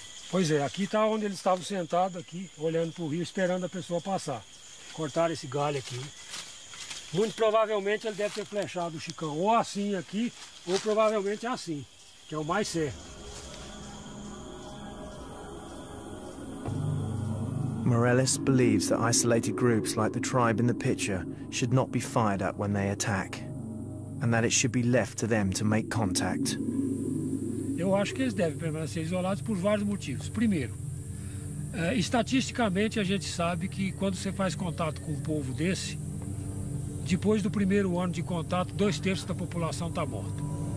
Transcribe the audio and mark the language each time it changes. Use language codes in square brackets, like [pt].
[pt] Pois é, aqui tá onde eles estavam sentados aqui, olhando pro rio, esperando a pessoa passar. Cortaram esse galho aqui. Muito provavelmente ele deve ter flechado o Chicão. Ou assim aqui, ou provavelmente assim, que é o mais certo. [en] Morellis believes that isolated groups like the tribe in the picture should not be fired at when they attack, and that it should be left to them to make contact. [pt] Eu acho que eles devem permanecer isolados por vários motivos. Primeiro, estatisticamente a gente sabe que quando você faz contato com um povo desse, depois do primeiro ano de contato, 2/3 da população está morta.